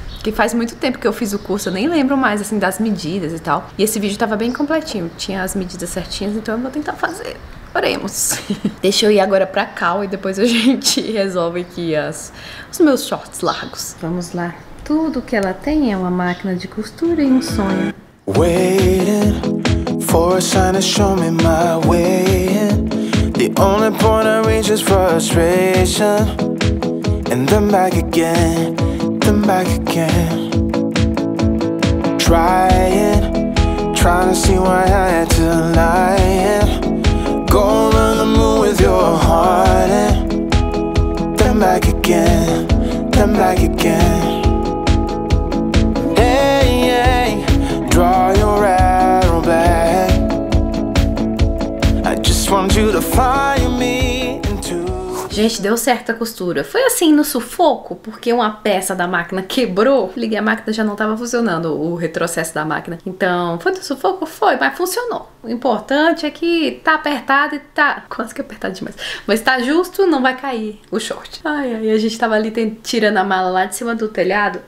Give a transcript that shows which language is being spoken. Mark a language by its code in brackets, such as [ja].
[pt] Que faz muito tempo que eu fiz o curso, eu nem lembro mais, assim, das medidas e tal. E esse vídeo tava bem completinho, tinha as medidas certinhas, então eu vou tentar fazer. Oremos. Deixa eu ir agora pra cal e depois a gente resolve aqui os meus shorts largos. Vamos lá. Tudo que ela tem é uma máquina de costura e um sonho. [en] Waiting for a sign to show me my way. The only point I reach is frustration. And then back again, then back again. Trying, trying to see why I had to lie. Go around the moon with your heart and then back again, then back again. Hey, hey, draw your arrow back. I just want you to find me. [pt] Gente, deu certo a costura. Foi assim, no sufoco, porque uma peça da máquina quebrou. Liguei a máquina, já não tava funcionando o retrocesso da máquina. Então, foi no sufoco? Foi, mas funcionou. O importante é que tá apertado e tá... Quase que apertado demais. Mas tá justo, não vai cair o short. Ai, ai, a gente tava ali tirando a mala lá de cima do telhado.